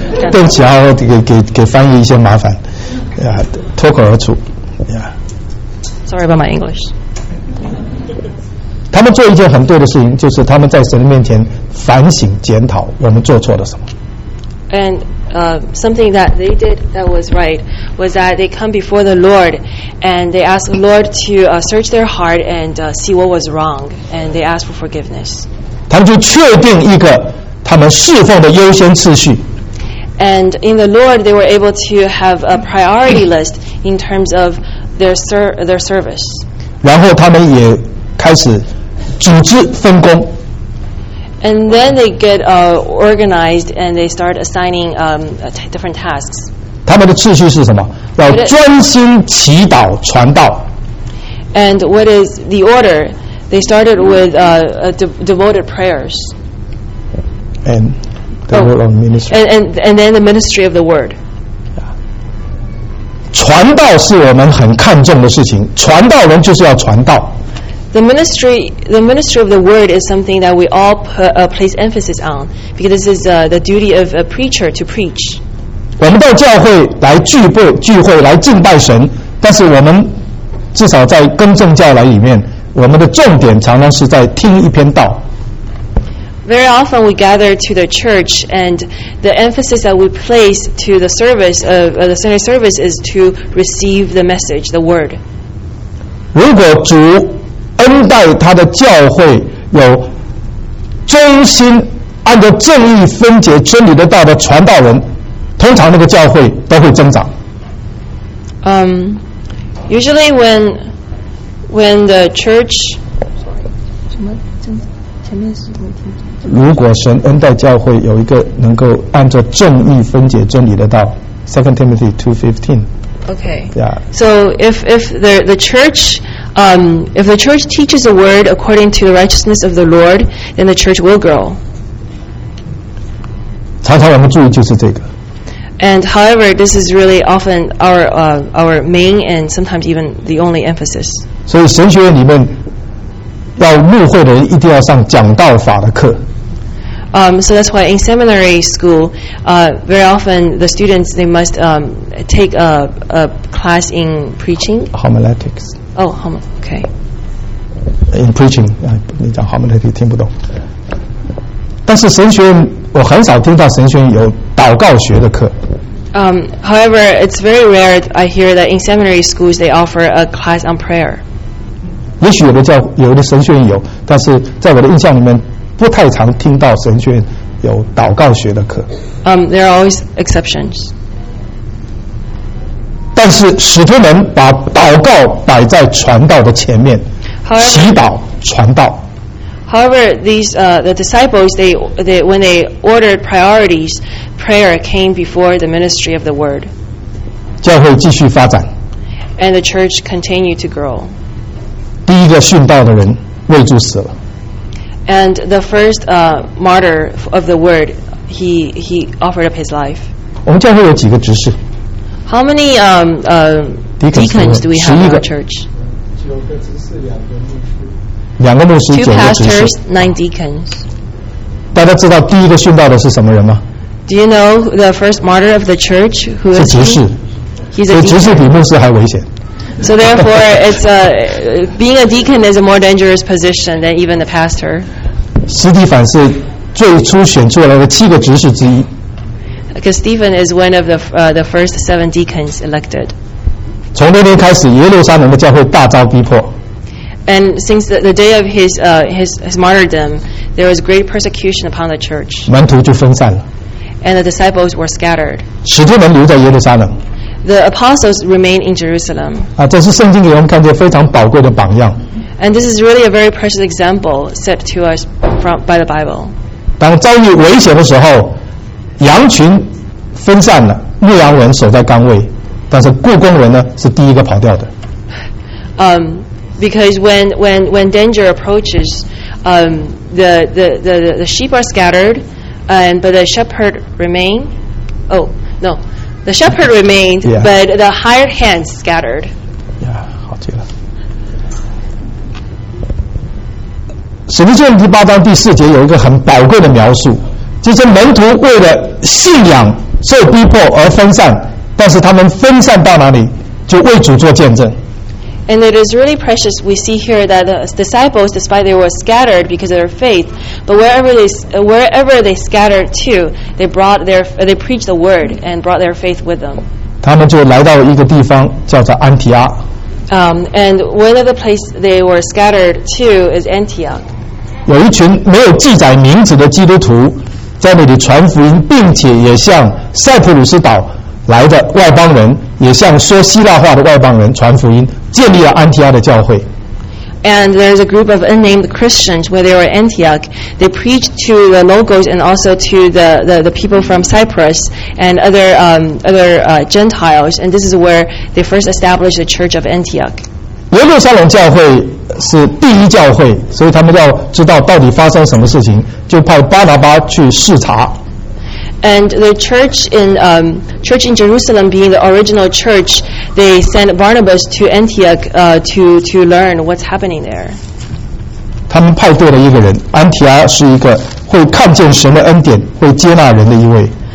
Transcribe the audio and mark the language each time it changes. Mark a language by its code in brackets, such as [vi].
[zh] 对不起啊，我给翻译一些麻烦，脱口而出。 [en] Sorry about my English. [zh] 他们做一件很对的事情，就是他们在神面前反省检讨我们做错了什么。 [en] And something that they did that was right was that they come before the Lord and they asked the Lord to search their heart and see what was wrong and they asked for forgiveness. [zh] 他们就确定一个他们侍奉的优先次序。 [en] And in the Lord, they were able to have a priority list in terms of their service. [zh] 然后他们也开始组织分工。 [en] And then they get organized and they start assigning different tasks. [zh] 他们的次序是什么？要专心祈祷传道。 [en] And what is the order? They started with devoted prayers. And the word of ministry. And then the ministry of the word. [zh] 传道是我们很看重的事情，传道人就是要传道。 [en] The ministry of the word is something that we all place emphasis on because this is the duty of a preacher to preach. [zh] 我们到教会来聚会来敬拜神，但是我们至少在更正教来里面，我们的重点常常是在听一篇道。 [en] very often we gather to the church, and the emphasis that we place to the service of the Sunday service is to receive the message, the word. [zh] 如果主恩待他的教会有忠心按照正义分解真理的道的传道人，通常那个教会都会增长。 [en] Usually when the church [zh] 如果神恩待教会有一个能够按照正义分解真理的道 [en] 2 Timothy 2:15 Okay. Yeah. So if the church teaches the word according to the righteousness of the Lord, then the church will grow. [zh] 常常我们注意就是这个。 [en] And however, this is really often our main and sometimes even the only emphasis. [zh] 所以神学院里面要入会的人一定要上讲道法的课。 [en] So that's why in seminary school, very often the students they must take a class in preaching. Homiletics. Oh, okay. In preaching, [zh] 你讲 homiletics 听不懂。但是神学院我很少听到神学院有祷告学的课。 [en] However, it's very rare I hear that in seminary schools they offer a class on prayer. [zh] 也许有的教有的神学院有，但是在我的印象里面。不太常听到神学院有祷告学的课。 [en] There are always exceptions. [zh] 但是使徒们把祷告摆在传道的前面， [en] however, [zh] 祈祷传道。 [en] However, the disciples they when they ordered priorities, prayer came before the ministry of the word. [zh] 教会继续发展。 [en] And the church continued to grow. [zh] 第一个殉道的人为主死了。 [en] And the first martyr of the word, he offered up his life. [zh] 我们教会有几个执事 [en] ？How many deacons do we have in our church? [zh] 两个执事，两个牧师。 [en] 2 pastors, 9 deacons. [zh] 大家知道第一个殉道的是什么人吗 [en] ？Do you know the first martyr of the church? Who is he? [zh] 是执事。 [en] He's a deacon. [zh] 执事比牧师还危险。 [en] So therefore, it's being a deacon is a more dangerous position than even the pastor. [zh] 斯蒂凡是最初选出来的七个执事之一。 [en] Because Stephen is one of the first seven deacons elected. [zh] 从那天开始，耶路撒冷的教会大遭逼迫。 [en] And since the day of his martyrdom, there was great persecution upon the church. [zh] 门徒就分散了。 [en] And the disciples were scattered. [zh] 使徒们留在耶路撒冷。 [en] The apostles remain in Jerusalem. [zh] 啊，这是圣经给我们看见非常宝贵的榜样。 [en] And this is really a very precious example set to us by the Bible. [zh] 当遭遇危险的时候，羊群分散了，牧羊人守在岗位，但是雇工人呢是第一个跑掉的。 [en] Because when danger approaches, the sheep are scattered, and but the shepherd remain. Oh no. The shepherd remained, yeah. But the hired hands scattered. [zh] Yeah, 好记了。使徒行第八章第四节有一个很宝贵的描述，就是门徒为了信仰受逼迫而分散，但是他们分散到哪里，就为主做见证。 [en] And it is really precious. We see here that the disciples, despite they were scattered because of their faith, but wherever they scattered to, they preached the word and brought their faith with them. [zh] 他们就来到一个地方叫做安提阿。 [en] And one of the places they were scattered to is Antioch. [zh] 有一群没有记载名字的基督徒在那里传福音，并且也向塞浦路斯岛来的外邦人，也向说希腊话的外邦人传福音。建立了安提阿的教会。 [en] And there's a group of unnamed Christians where they were Antioch. They preached to the locals and also to the people from Cyprus and other Gentiles. And this is where they first established the church of Antioch. [zh] 耶路撒冷教会是第一教会，所以他们要知道到底发生什么事情，就派巴拿巴去视察。 [en] And the church in Jerusalem, being the original church, they sent Barnabas to Antioch to learn what's happening there. [zh] 他们派对了一个人，安提阿是一个会看见神的恩典、会接纳人的一位。